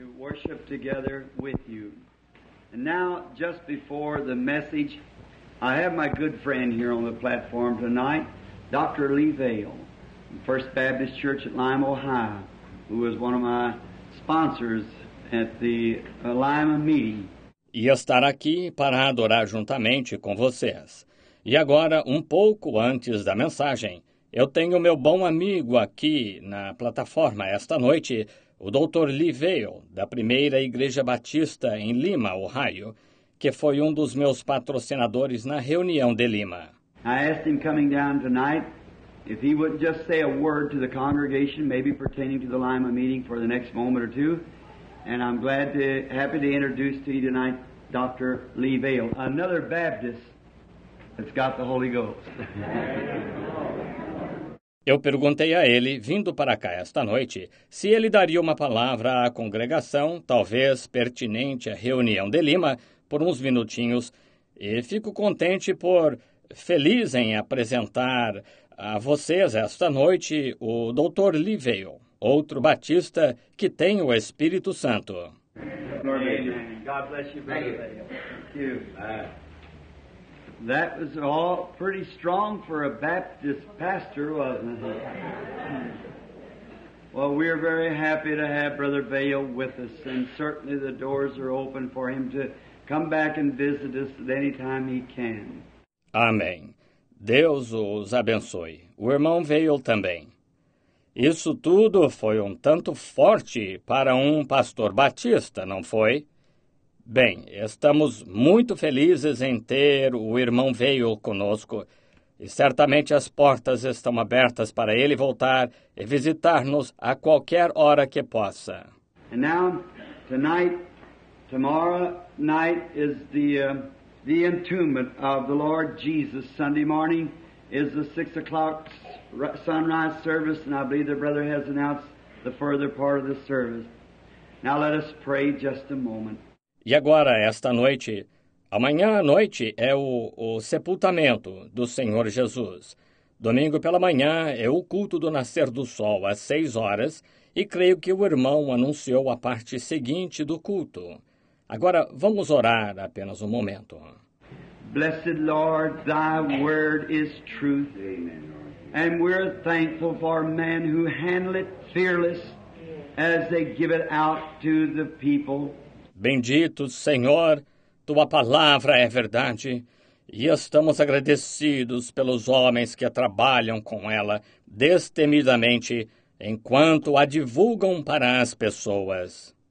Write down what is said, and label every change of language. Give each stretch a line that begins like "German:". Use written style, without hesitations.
English: Worship together with you. And now, just before the message, I have my good friend here on the platform tonight, Dr. Lee Vail, First Baptist Church at Lima, Ohio, who was one of my sponsors at the Lima meeting.
Portuguese: E estar aqui para adorar juntamente com vocês. E agora, um pouco antes da mensagem, eu tenho meu bom amigo aqui na plataforma esta noite, o Dr. Lee Vail, da Primeira Igreja Batista em Lima, Ohio, que foi um dos meus patrocinadores na reunião de Lima.
English: I asked him coming down tonight if he wouldn't just say a word to the congregation, maybe pertaining to the Lima meeting for the next moment or two. And I'm glad to, happy to introduce to you tonight Dr. Lee Vail, another Baptist that's got the Holy Ghost.
Portuguese: Eu perguntei a ele, vindo para cá esta noite, se ele daria uma palavra à congregação, talvez pertinente à reunião de Lima, por uns minutinhos, e fico contente por, feliz em apresentar a vocês esta noite, o Dr. Lee Vail, outro batista que tem o Espírito Santo.
English: Amém. God bless you, brother. Thank you. That was all pretty strong for a Baptist pastor, wasn't it? Well, we're very happy to have Brother Vail with us, and certainly the doors are open for him to come back and visit us at any time he can.
Portuguese: Amém. Deus os abençoe. O irmão Vail também. Isso tudo foi um tanto forte para um pastor batista, não foi? Bem, estamos muito felizes em ter o irmão Vail conosco e certamente as portas estão abertas para ele voltar e visitar-nos a qualquer hora que possa.
English: And now, tonight, tomorrow night is the entombment of the Lord Jesus. Sunday morning is the 6 o'clock sunrise service, and I believe the brother has announced the further part of the service. Now let us pray just a moment.
Portuguese: E agora, esta noite, amanhã à noite, é o sepultamento do Senhor Jesus. Domingo pela manhã é o culto do nascer do sol, às 6 horas, e creio que o irmão anunciou a parte seguinte do culto. Agora, vamos orar apenas um momento.
English: Blessed Lord, thy word is truth. Amen. And we're thankful for men who handle it fearless as they give it out to the people.
Portuguese: Bendito Senhor, Tua palavra é verdade, e estamos agradecidos pelos homens que trabalham com ela destemidamente enquanto a divulgam para as pessoas.